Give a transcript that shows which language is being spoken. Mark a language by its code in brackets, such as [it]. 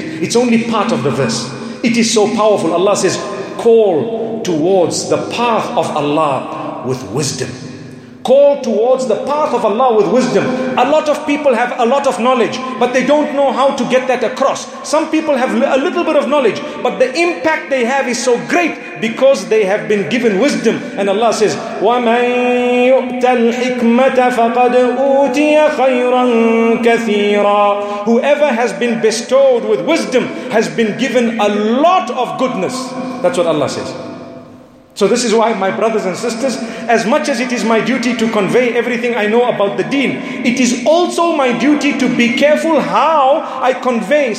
[en] It's only part of the verse. It is so powerful. Allah says, call towards the path of Allah with wisdom. Call towards the path of Allah with wisdom. A lot of people have a lot of knowledge, but they don't know how to get that across. Some people have a little bit of knowledge, but the impact they have is so great because they have been given wisdom. And Allah says, [ar] وَمَن يُؤْتَ الْحِكْمَةَ فَقَدْ أُوتِيَ خَيْرًا كَثِيرًا. [en] Whoever has been bestowed with wisdom has been given a lot of goodness. That's what Allah says. So this is why, my brothers and sisters, as much as it is my duty to convey everything I know about the deen, it is also my duty to be careful how I convey.